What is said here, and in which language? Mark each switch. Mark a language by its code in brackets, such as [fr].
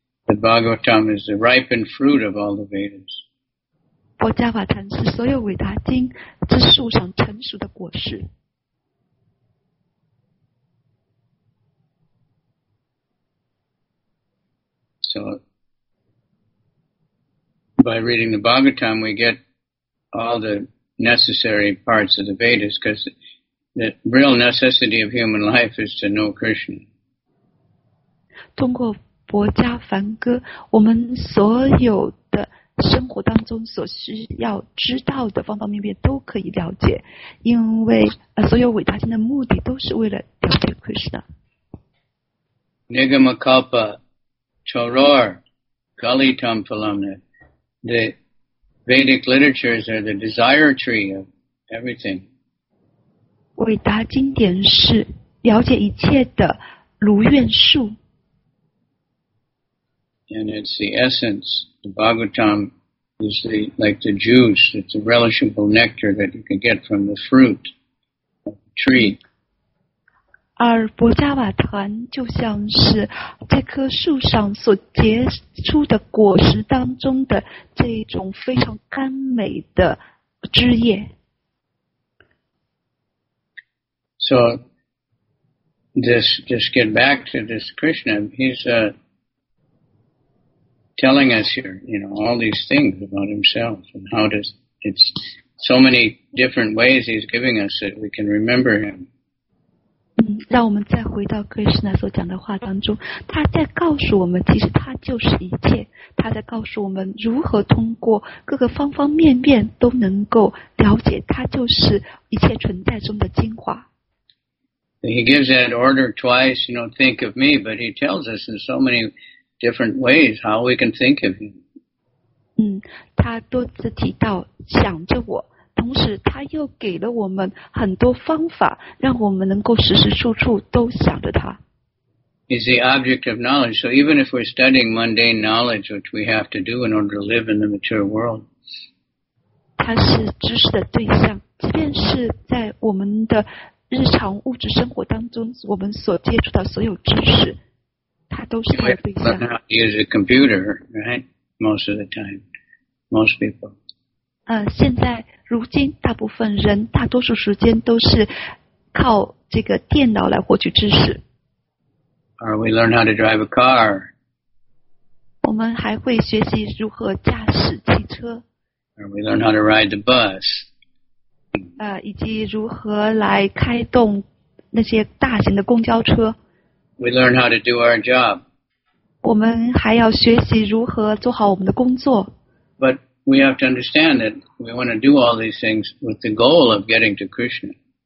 [en] The Bhagavatam is the ripened fruit of all the Vedas. [zh] 博迦瓦坛是所有伟达经之树上成熟的果实。 [en] So, by reading the Bhagavatam, we get all the necessary parts of the Vedas, because the real necessity of human life is to know Krishna. [zh] 通过博迦梵歌，我们所有的生活当中所需要知道的方方面面都可以了解，因为所有伟大经的目的都是为了了解 Krishna。 Nigamakalpa Choror [sa] Kali Tam Phalam, [en] the Vedic literatures are the desire tree of everything. [zh] 伟达经典是了解一切的如愿树。 [en] And it's the essence. The Bhagavatam is the, like the juice. It's the relishable nectar that you can get from the fruit of the tree. [zh] 而博加瓦坛就像是这棵树上所结出的果实当中的这种非常甘美的汁液。 [en] So, this, just get back to this Krishna. He's, telling us here, you know, all these things about himself and how does, it's so many different ways he's giving us that we can remember him. [zh] 让我们再回到 Krishna 所讲的话当中，他在告诉我们，其实他就是一切，他在告诉我们如何通过各个方方面面都能够了解他就是一切存在中的精华。 [en] He gives that order twice, you know, think of me, but he tells us in so many different ways how we can think of him. [zh] 他多次提到想着我，同时他又给了我们很多方法，让我们能够时时处处都想着他。 [en] He's the object of knowledge, so even if we're studying mundane knowledge, which we have to do in order to live in the material world, [zh] 他是知识的对象，即便是在我们的日常物质生活当中，我们所接触到所有知识，它都是它的对象。 [en] You might learn how to use a computer, right? Most of the time, most people. [zh] 现在如今，大部分人大多数时间都是靠这个电脑来获取知识。 [en] Or we learn how to drive a car. [zh] 我们还会学习如何驾驶汽车。 [en] Or we learn how to ride the bus. [zh] 以及如何来开动那些大型的公交车。 [en] We learn how to do our job. [zh] 我们还要学习如何做好我们的工作。 [en] But we have to understand that we want to do all these things with the goal of getting to Krishna.